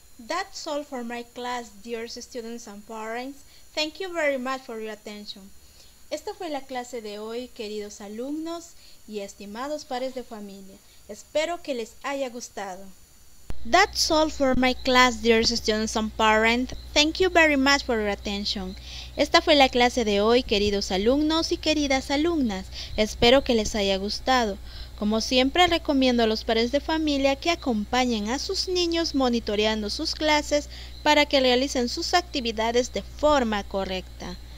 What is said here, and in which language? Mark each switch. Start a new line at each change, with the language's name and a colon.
English: That's all for my class, dear students and parents. Thank you very much for your attention.
Spanish: Esta fue la clase de hoy, queridos alumnos y estimados padres de familia. Espero que les haya gustado.
English: That's all for my class, dear students and parents. Thank you very much for your attention.
Spanish: Esta fue la clase de hoy, queridos alumnos y queridas alumnas. Espero que les haya gustado. Como siempre, recomiendo a los padres de familia que acompañen a sus niños monitoreando sus clases para que realicen sus actividades de forma correcta.